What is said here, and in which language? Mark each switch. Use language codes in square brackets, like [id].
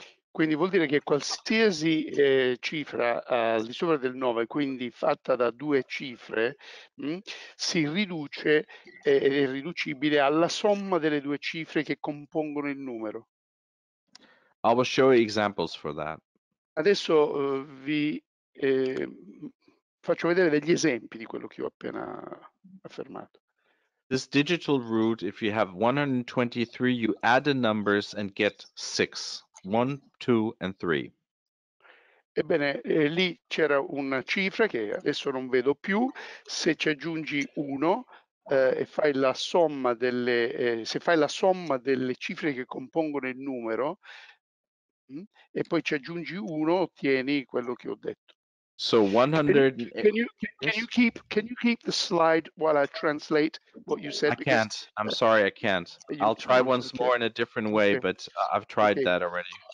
[it] Quindi vuol dire che qualsiasi cifra al di sopra del 9, quindi fatta da 2 cifre, si riduce ed è riducibile alla somma delle 2 cifre che compongono il numero. [en] I will show examples for that. [it] Adesso vi faccio vedere degli esempi di quello che ho appena affermato. [en] This digital root, if you have 123, you add the numbers and get 6. 1, 2 and 3. [it] Ebbene, lì c'era una cifra che adesso non vedo più. Se ci aggiungi 1 e fai la somma delle se fai la somma delle cifre che compongono il numero e poi ci aggiungi 1, ottieni quello che ho detto. [en] So 100 can you keep the slide while I translate what you said? I can't. I'm sorry, I can't. I'll try once more in a different way, but I've tried that already.